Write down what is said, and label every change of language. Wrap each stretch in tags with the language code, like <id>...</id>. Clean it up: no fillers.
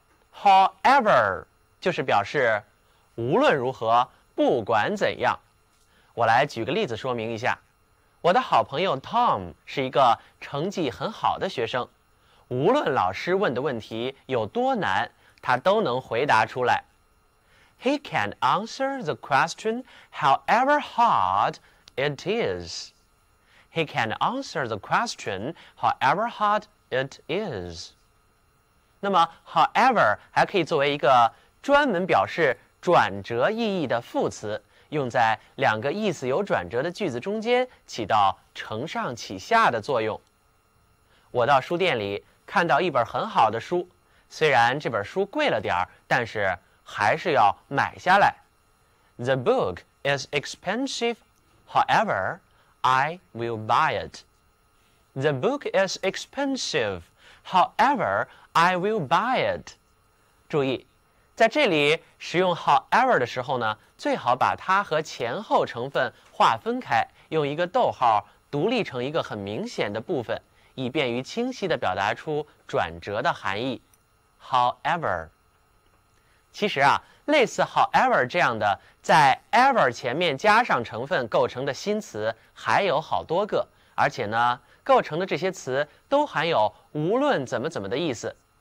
<zh>however 就是表示无论如何，不管怎样。我来举个例子说明一下。我的好朋友 Tom 是一个成绩很好的学生，无论老师问的问题有多难，他都能回答出来。</zh> <en>He can answer the question however hard it is. He can answer the question however hard it is.</en> <zh>那么 however 还可以作为一个专门表示转折意义的副词，用在两个意思有转折的句子中间，起到承上启下的作用。我到书店里看到一本很好的书，虽然这本书贵了点儿，但是还是要买下来。</zh> <en>The book is expensive, however, I will buy it. The book is expensive, however, I will buy it.</en> <zh>注意，在这里使用 however 的时候呢，最好把它和前后成分划分开，用一个逗号独立成一个很明显的部分，以便于清晰地表达出转折的含义。 However， 其实啊，类似 however 这样的在 ever 前面加上成分构成的新词还有好多个，而且呢，构成的这些词都含有无论怎么怎么的意思。</zh>